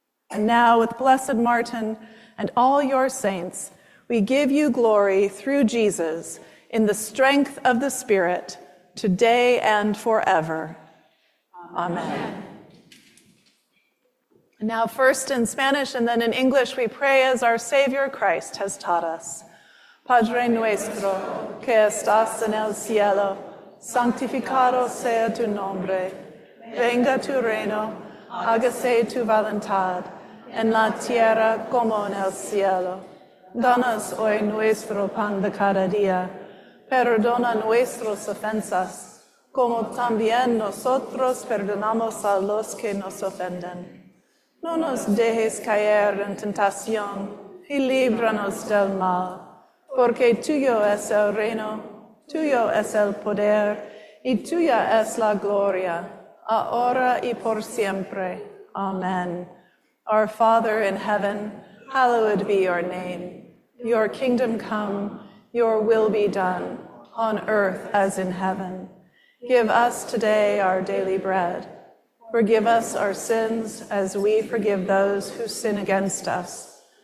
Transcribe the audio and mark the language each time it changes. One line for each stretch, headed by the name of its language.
English: And now, with Blessed Martin and all your saints, we give you glory through Jesus in the strength of the Spirit, today and forever. Amen. And now, first in Spanish and then in English, we pray as our Savior Christ has taught us.
Spanish: Padre nuestro, que estás en el cielo, santificado sea tu nombre, venga tu reino, hágase tu voluntad, en la tierra como en el cielo. Danos hoy nuestro pan de cada día. Perdona nuestras ofensas, como también nosotros perdonamos a los que nos ofenden. No nos dejes caer en tentación, y líbranos del mal. Porque tuyo es el reino, tuyo es el poder, y tuya es la gloria, ahora y por siempre. Amen.
English: Our Father in heaven, hallowed be your name. Your kingdom come, your will be done, on earth as in heaven. Give us today our daily bread. Forgive us our sins as we forgive those who sin against us.